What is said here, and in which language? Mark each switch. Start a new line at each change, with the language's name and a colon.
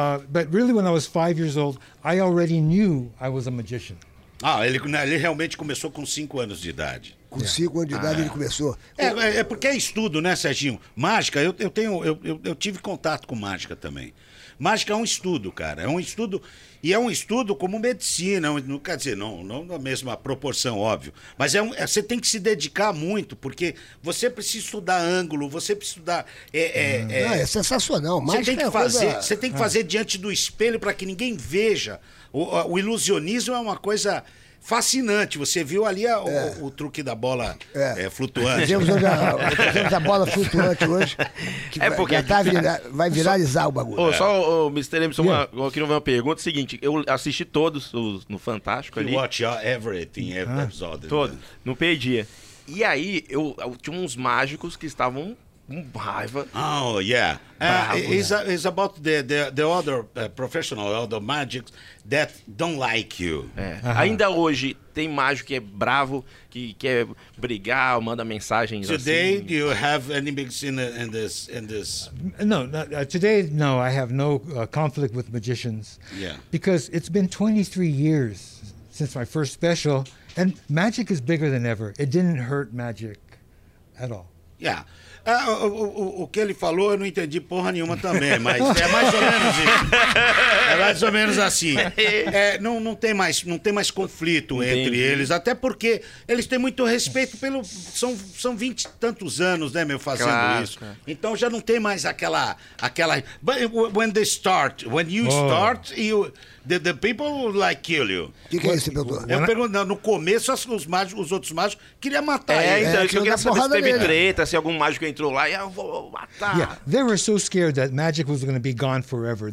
English: But really, when I was 5 years old, I already knew I was a magician.
Portuguese: Ah, ele realmente começou com 5 anos de idade. Com 5 anos de idade ele começou. É porque é estudo, né, Serginho? Mágica, eu tive contato com mágica também. Mágica é um estudo, cara. É um estudo. E é um estudo como medicina. Quer dizer, não na mesma proporção, óbvio. Mas você tem que se dedicar muito, porque você precisa estudar ângulo, você precisa estudar. É sensacional. Mágica você tem que fazer, coisa... Você tem que fazer diante do espelho para que ninguém veja. O ilusionismo é uma coisa fascinante. Você viu ali o truque da bola flutuante. Vemos hoje a bola flutuante hoje. É porque vai viralizar o bagulho. Só o Mr. Emerson, eu queria fazer uma pergunta. Seguinte, eu assisti todos no Fantástico ali.
English: You watch everything, episode.
Portuguese: Todo, não perdia. E aí, eu tinha uns mágicos que estavam... raiva.
English: Oh, yeah. It's about the other professional, other magics that don't like you. Uh-huh.
Portuguese: Ainda hoje tem mágico que é bravo, que quer brigar, manda mensagens.
English: Today,
Portuguese: assim.
English: Do you have any mixing in this? No, I have no conflict with magicians. Yeah. Because it's been 23 years since my first special, and magic is bigger than ever. It didn't hurt magic at all. Yeah.
Portuguese: O que ele falou, eu não entendi porra nenhuma também, mas é mais ou menos isso. É mais ou menos assim. É, não tem mais conflito. Entendi. Entre eles, até porque eles têm muito respeito pelo. São 20 e tantos anos, né, meu, fazendo, claro, isso. Cara. Então já não tem mais aquela.
English: When they start, when you start, you. The people like kill you.
Portuguese: O que é isso, meu? Eu pergunto, no começo, os outros mágicos queriam matar ele. Então, eu queria saber se teve treta, se algum mágico entrou lá e eu vou matar.
English: Yeah, they were so scared that magic was going to be gone forever.